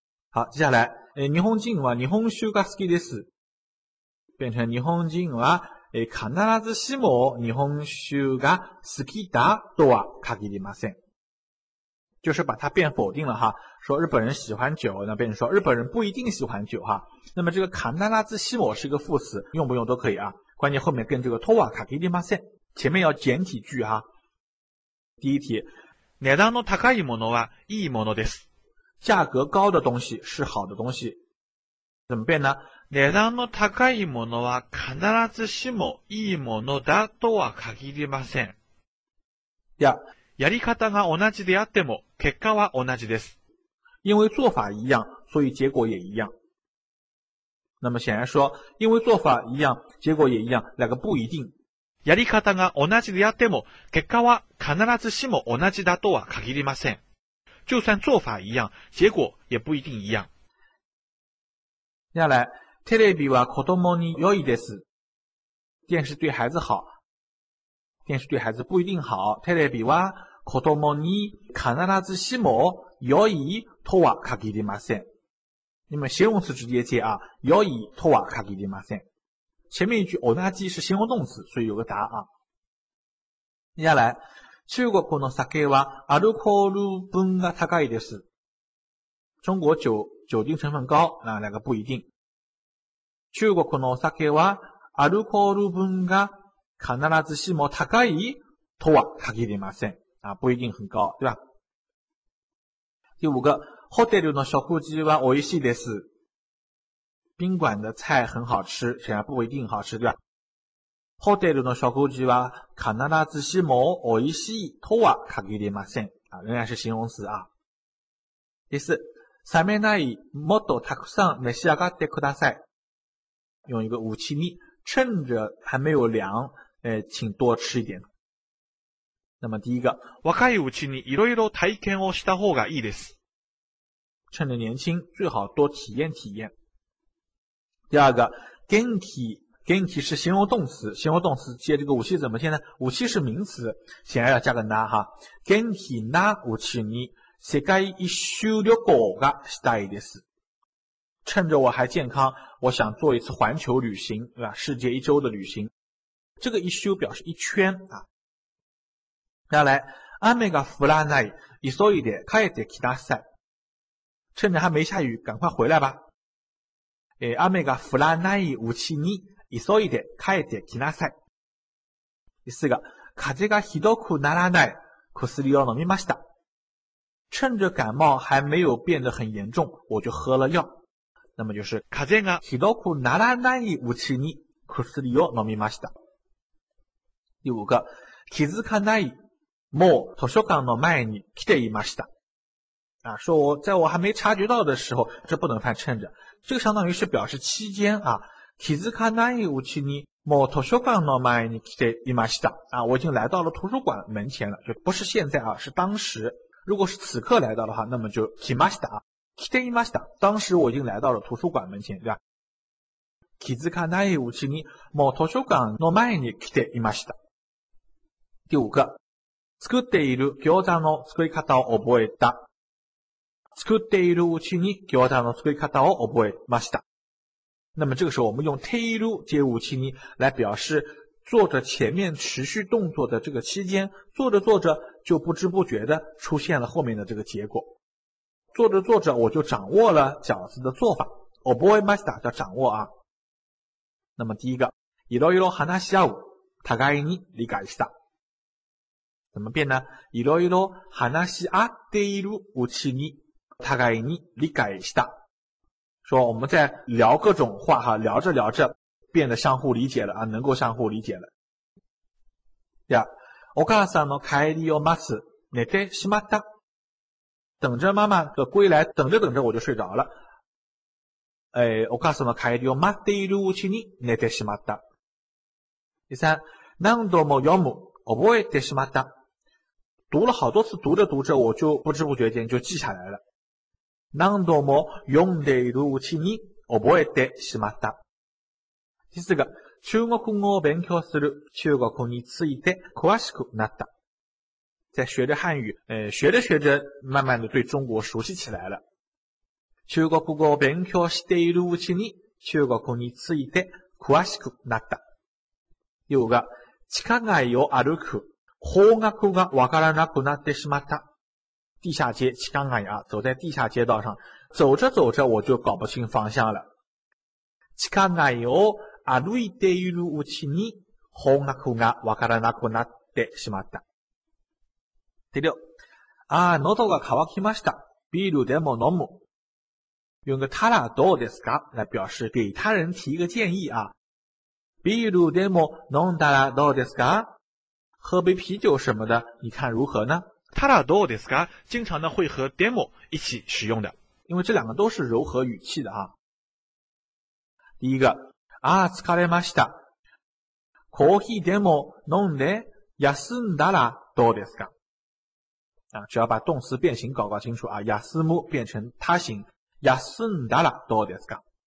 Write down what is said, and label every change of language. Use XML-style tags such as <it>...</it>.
<zh>好，接下来，</zh> <ja>日本人は日本酒が好きです。变成日本人は必ずしも日本酒が好きだとは限りません。</ja> <zh>就是把它变否定了哈，说日本人喜欢酒，那变成说日本人不一定喜欢酒哈。那么这个必ずしも是一个副词，用不用都可以啊。关键后面跟这个</zh> <ja>とは限りません，</ja> <zh>前面要简体句哈。第一题，</zh> <ja>値段の高いものはいいものです。</ja> <zh>价格高的东西是好的东西，怎么变呢？</zh> <ja>値段の高いものは必ずしもいいものだとは限りません。</ja> <zh>第二，</zh> <ja>やり方が同じであっても結果は同じです。</ja> <zh>因为做法一样，所以结果也一样。那么显然说，因为做法一样，结果也一样，两个不一定。</zh> <ja>やり方が同じであっても結果は必ずしも同じだとは限りません。</ja> <zh>就算做法一样，结果也不一定一样。接下来，</zh> <ja>テレビは子供に良いです。</ja> <zh>电视对孩子好。電視对孩子不一定好。</zh> <ja>テレビは子供に必ずしも良いとは限りません。</ja> <zh>你们形容词直接接啊，</zh> <ja>良いとは限りません。</ja> <zh>前面一句同じ是形容动词，所以有个答案。接下来，</zh> <ja>中国の酒はアルコール分が高いです。</ja> <zh>中国酒精成分高，那两个不一定。</zh> <ja>中国のお酒はアルコール分が必ずしも高いとは限りません。</ja> <zh>啊，不一定很高，对吧？第五个，</zh> <ja>ホテルの食事は美味しいです。</ja> <zh>宾馆的菜很好吃，虽然不一定好吃，对吧？</zh> <ja>ホテルの食事は必ずしも美味しいとは限りません。</ja> <zh>啊，仍然是形容词啊。</zh> <ja>第四，冷めないもっとたくさん召し上がってください。</ja> <zh>用一个武器に，趁着还没有凉，请多吃一点。那么第一个，</zh> <ja>若いうちにいろいろ体験をした方がいいです。</ja> <zh>趁着年轻，最好多体验体验。第二个，元気是形容动词，形容动词接这个武器怎么接呢？武器是名词，显然要加个な哈。</zh> <ja>元気なうちに世界一周旅行がしたいです。</ja> <zh>趁着我还健康，我想做一次环球旅行，对吧？世界一周的旅行，这个一周表示一圈啊。</zh> <ja>接下来，雨が降らない、急いで帰ってください。</ja> <zh>趁着还没下雨，赶快回来吧。</zh> <ja>雨が降らないうちに、急いで帰ってきなさい。第四个，風がひどくならない、薬を飲みました。</ja> <zh>趁着感冒还没有变得很严重，我就喝了药。那么就是</zh> <ja>風がひどくならないうちに薬を飲みました。第五个、気づかない、もう図書館の前に来ていました。</ja> <zh>啊，说我在我还没察觉到的时候，这不能算趁着。这个相当于是表示期间啊。</zh> <ja>気づかないうちにもう図書館の前に来ていました。</ja> <zh>啊，我已经来到了图书馆门前了，就不是现在啊，是当时。如果是此刻来到的话，那么就来ました。</zh> <ja>来ていました。</ja> <zh>当时我已经来到了图书馆门前，对吧？</zh> <ja>気づかないうちにもう図書館の前に来ていました。第五个。作っている餃子の作り方を覚えた。作っているうちに餃子の作り方を覚えました。</ja> <zh>那么这个时候我们用ている接武器に来表示做着前面持续动作的这个期间，做着做着就不知不觉的出现了后面的这个结果。做着做着我就掌握了饺子的做法。覚えました叫掌握啊。那么第一个，</zh> <ja>いろいろ話し合う、互いに理解した。</ja> <zh>怎么变呢？</zh> <ja>いろいろ話し合っているうちに、互いに理解した。</ja> <zh>说我们在聊各种话哈，聊着聊着变得相互理解了啊，能够相互理解了。</zh> <ja>第二，お母さんの帰りを待つ、寝てしまった。</ja> <zh>等着妈妈的归来，等着等着我就睡着了。</zh> <ja>お母さんの帰りを待っているうちに寝てしまった。第三、何度も読む。覚えてしまった。</ja> <zh>读了好多次，读着读着，我就不知不觉间就记下来了。</zh> <ja>何度も読んでいるうちに覚えてしまった。第四个，中国語を勉強する、中国について詳しくなった。</ja> <zh>在学着汉语，学着学着，慢慢的对中国熟悉起来了。</zh> <ja>中国語を勉強しているうちに、中国について詳しくなった。第五个。地下街を歩く、方角がわからなくなってしまった。</ja> <zh>地下街、地下街啊，走在地下街道上，走着走着我就搞不清方向了。</zh> <ja>地下街を歩いているうちに、方角がわからなくなってしまった。第六、あ、喉が渇きました。ビールでも飲む。</ja> <zh>用个</zh> <ja>他らどうですか？</ja> <zh>来表示给他人提一个建议啊。</zh> <ja>ビールでも飲んだらどうですか？</ja> <zh>喝杯啤酒什么的，你看如何呢？</zh> <ja>たらどうですか？</ja> <zh>经常呢会和でも一起使用的，因为这两个都是柔和语气的啊。</zh> <ja>第一个，あ疲れました。コーヒーでも飲んで休んだらどうですか？</ja> <zh>啊，只要把动词变形搞清楚啊，休む变成他形，</zh> <ja>休んだらどうですか？</ja>